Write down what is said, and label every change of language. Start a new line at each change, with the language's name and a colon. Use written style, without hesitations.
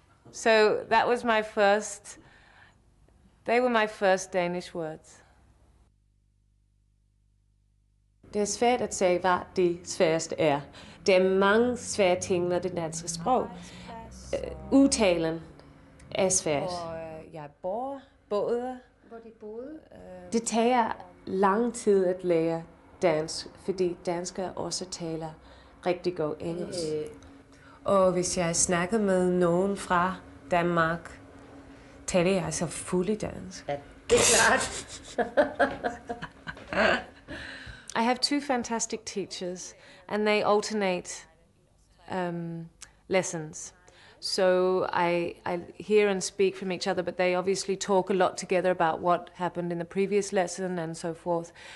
English: So that was my first, they were my first Danish words.
Danish: Det er svært at sige, hvad det sværeste er. Det er mange svære ting med det danske sprog. Udtalen er svært. Jeg bor, både. Det tager lang tid at lære dansk, fordi danskere også taler rigtig godt engelsk. Og hvis jeg snakker med nogen fra Danmark, taler jeg altså fuld i dansk. Ja, det er klart.
English: I have two fantastic teachers, and they alternate lessons. So I hear and speak from each other, but they obviously talk a lot together about what happened in the previous lesson and so forth.